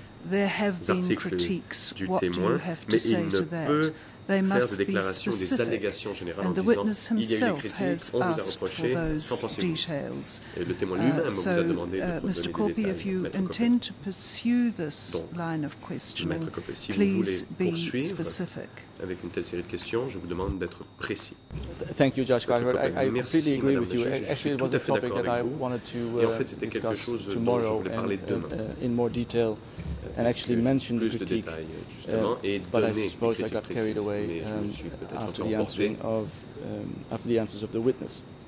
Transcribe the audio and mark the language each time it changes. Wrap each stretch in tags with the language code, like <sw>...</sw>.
<en>there have been critiques. What do you have to say to that? They must be specific, and the witness himself has asked for those details. So, Mr. Corpy, if you intend to pursue this line of questioning, please be specific.</en> <fr>Avec une telle série de questions, je vous demande d'être précis.</fr> <en>Thank you, Judge Carver. I completely agree with you. Actually, it was a topic that I wanted to discuss tomorrow in more detail and actually mention the critique. But I suppose I got carried away after the answering of after the answers of the witness.</en>